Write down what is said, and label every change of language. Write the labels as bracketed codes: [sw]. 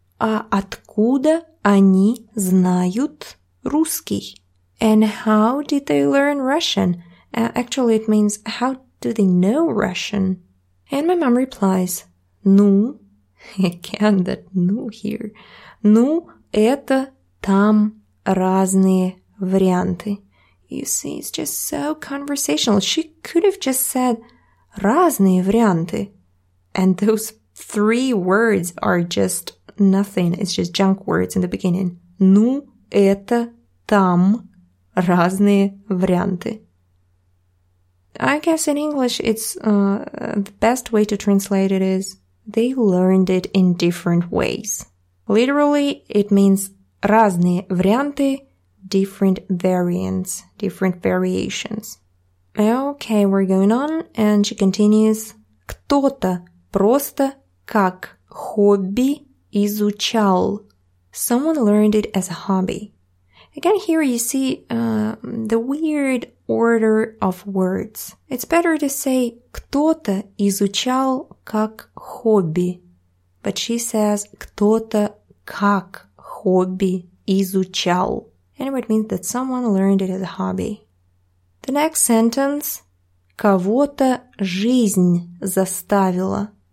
[ru] а откуда они знают русский? [en] And how did they learn Russian? Actually, it means, how do they know Russian? And my mom replies, ну, again that ну here, [ru] ну, это там разные варианты. [en] You see, it's just so conversational. She could have just said [ru] разные варианты, [en] And those three words are just nothing. It's just junk words in the beginning. [ru] Ну, это там разные варианты. [en] I guess in English it's the best way to translate it is they learned it in different ways. Literally, it means [ru] разные варианты, [en] different variants, different variations. Okay, we're going on, and she continues. [ru] Кто-то просто как хобби изучал. [en] Someone learned it as a hobby. Again, here you see the weird order of words. It's better to say [ru] кто-то изучал как хобби. [en] But she says [ru] кто-то как хобби изучал. [en] Anyway, it means that someone learned it as a hobby. The next sentence. [ru] Кого-то жизнь заставила.